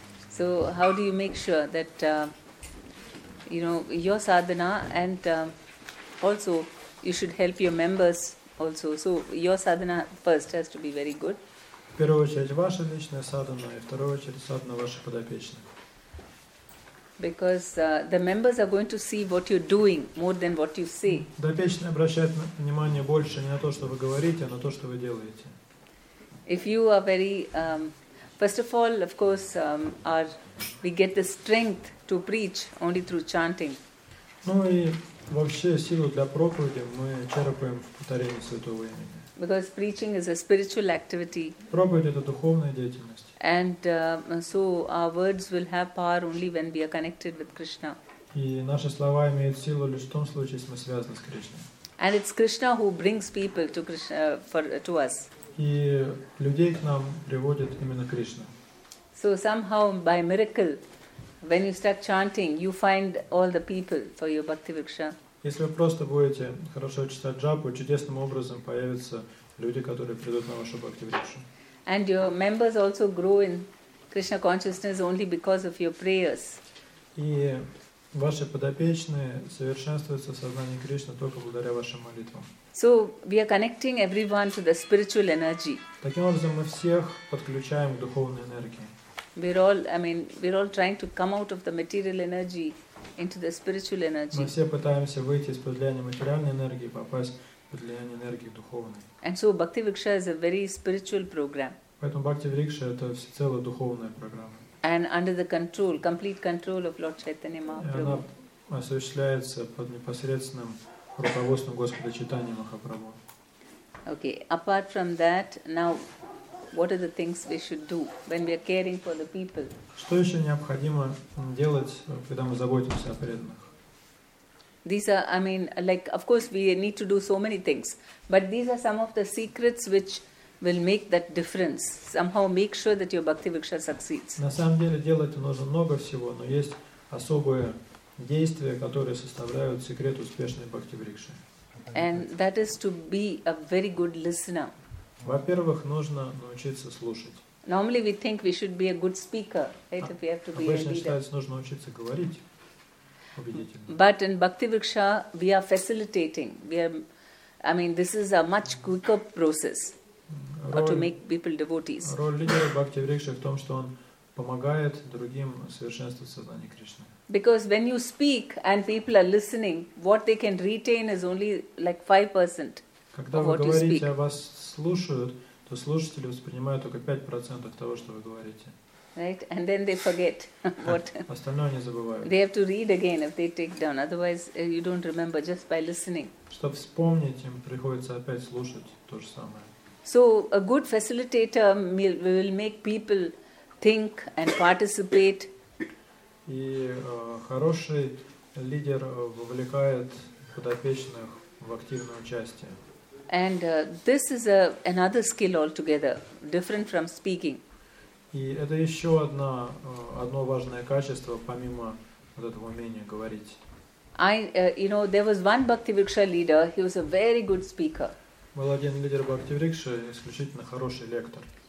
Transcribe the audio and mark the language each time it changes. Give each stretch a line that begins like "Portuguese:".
English: So how do you make sure that your sadhana and also you should help your members also. So your sadhana first has to be very good.
Russian: В первую очередь ваша личная садхана, и в вторую очередь садхана ваших подопечных.
English: Because the members are going to see what you're doing more than what you say.
Russian: Подопечные обращают внимание больше не на то, что вы говорите, а на то, что вы делаете.
English: If you are very, first of all, of course, we get the strength to preach only through chanting.
Russian: Ну и вообще силу для проповеди мы черпаем в повторении святого имени.
English: Because preaching is a spiritual activity.
Russian: Проповедь — это духовная деятельность.
English: And so our words will have power only when we are connected with Krishna.
Russian: И наши слова имеют силу лишь в том случае, если мы связаны с Кришной.
English: And it's Krishna who brings people to Krishna to us.
Russian: И людей к нам приводит именно Кришна.
English: So somehow by miracle, when you start chanting, you find all the people for your bhakti viksha.
Russian: Если вы просто будете хорошо читать джапу, чудесным образом появятся люди, которые придут на вашу бхакти-викшу.
English: And your members also grow in Krishna consciousness only because of your prayers.
Russian: И ваши подопечные совершенствуются в сознании Кришны только благодаря вашим молитвам.
English: So we are connecting everyone to the spiritual energy.
Russian: Таким образом мы всех подключаем к духовной энергии.
English: We're all trying to come out of the material energy into the spiritual energy.
Russian: Мы все пытаемся выйти из-под влияния материальной энергии и попасть под влияние энергии духовной.
English: And so Bhakti Viksha is a very spiritual program.
Russian: Поэтому Bhakti Viksha — это всецело духовная программа.
English: And under the control, complete control of Lord Chaitanya Mahaprabhu.
Russian: Она осуществляется под непосредственным руководством Господа Чайтаньи Махапрабху.
English: Okay. Apart from that, now what are the things we should do when we are caring for the people?
Russian: Что еще необходимо делать, когда мы заботимся о преданных?
English: These are, I mean, like, of course, we need to do so many things, but these are some of the secrets which will make that difference. Somehow, make sure that your bhakti viksha succeeds.
Russian: На самом деле делать нужно много всего, но есть особые действия, которые составляют секрет успешной бхакти викши.
English: And that is to be a very good listener.
Russian: Во-первых, нужно научиться слушать.
English: Normally we think we should be a good speaker, right? If we have to be a leader.
Russian: Обычно считается, нужно научиться говорить убедительно.
English: But in Bhakti Viksha, we are facilitating. This is a much quicker process to make people devotees.
Russian: Роль лидера Бхакти Викши в том, что он помогает другим совершенствовать сознание Кришны.
English: Because when you speak and people are listening, what they can retain is only like 5% of what you speak.
Russian: Когда вы говорите, о вас слушают, то слушатели воспринимают только 5% того, что вы говорите.
English: Right? And then they forget what.
Russian: Остальное они забывают.
English: They have to read again if they take down. Otherwise, you don't remember just by listening.
Russian: Чтобы вспомнить, им приходится опять слушать то же самое.
English: So a good facilitator will make people think and participate.
Russian: И хороший лидер вовлекает подопечных в активное участие.
English: And this is another skill altogether, different from speaking.
Russian: И это еще одно важное качество, помимо вот этого умения говорить.
English: I there was one Bhakti Viksha leader, he was a very good speaker.
Russian: Был один лидер Бхакти Викши, исключительно хороший лектор.